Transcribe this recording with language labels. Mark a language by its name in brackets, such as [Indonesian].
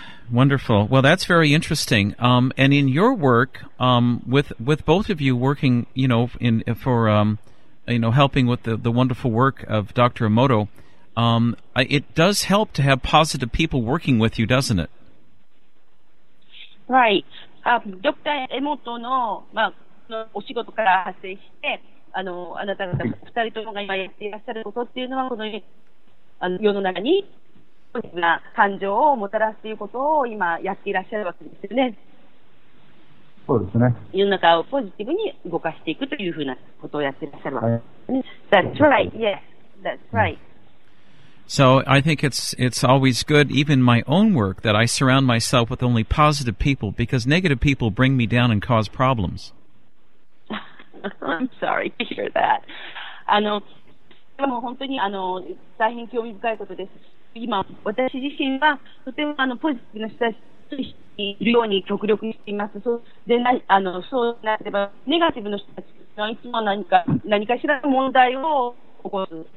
[English] Wonderful. Well, that's very interesting. And in your work, with both of you working, you know, helping with the wonderful work of Dr. Emoto, it does help to have positive people working with you, doesn't it? Right. Dr. [Japanese] Emoto の、まあ、のお仕事から発生して、あなた方二人ともが今やっていらっしゃることっていうのは、この、世の中に、感情をもたらすということを今やっていらっしゃるわけですよね。そうですね。世の中をポジティブに動かしていくというふうなことをやっていらっしゃるわけですね。 [English] That's right. Yes. That's right. So I think it's always good, even my own work, that I surround myself with only positive people, because negative people bring me down and cause problems. I'm sorry to hear that. [Japanese] でも本当に大変興味深いことです。今私自身はとてもポジティブな人たちにいるように極力しています。そうでなそうなればネガティブな人たちはいつも何かしらの問題を起こす。